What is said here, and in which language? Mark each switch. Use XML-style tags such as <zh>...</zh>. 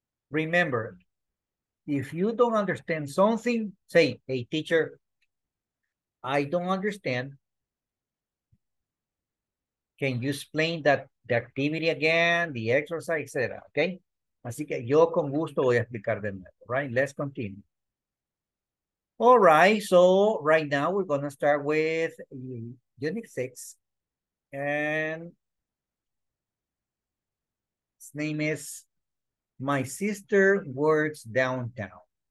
<en>Remember, if you don't understand something, say, hey, teacher, I don't understand. can you explain that the activity again, the exercise, etc. Okay?</en> <es>Así que yo con gusto voy a explicar de nuevo, right?</es> <en>Let's continue. All right, so right now we're going to start with Unit 6. And his name is My Sister Works Downtown.</en>